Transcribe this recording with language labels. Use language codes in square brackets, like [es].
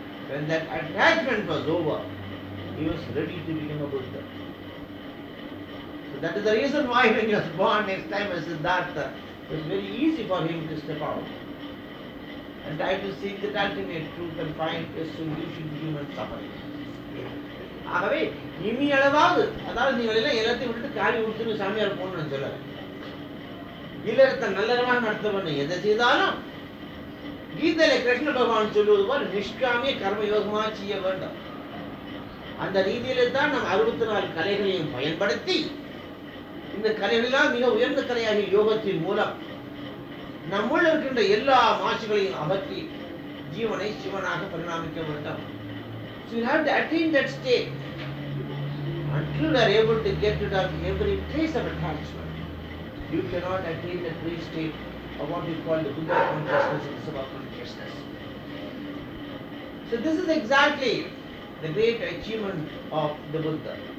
[en] When that attachment was over, he was ready to become a Buddha. That is the reason why when he was born next time as Siddhartha, it was very easy for him to step out and try to seek the ultimate truth and find a solution to human suffering. [ta] ஆகவே இனி அளவாவது, அதாவது நீங்கள் எல்லாம் எல்லாத்தையும் விட்டுட்டு காலி விட்டு சாமியார் போகணும்னு சொல்ல, கீதத்தை நல்லவனாக நடத்தவனை எதை செய்தாலும் கீதையில கிருஷ்ண பகவான் சொல்லுவது போல நிஷ்காமிய கர்ம யோகமாக செய்ய வேண்டும். அந்த ரீதியில தான் நம் 64 கலைகளையும் பயன்படுத்தி இந்த கலைகளெல்லாம் மிக உயர்ந்த கலையாகிய யோகத்தின் மூலம் நம்முள் இருக்கின்ற எல்லா மாசுகளையும் அகற்றி ஜீவனை சிவனாக பரிணாமிக்க வேண்டும். [en] So you have to attain that state. Until you are able to get rid of every trace of attachment, you cannot attain the free state of what we call the Buddha consciousness and the Sabha consciousness. So this is exactly the great achievement of the Buddha.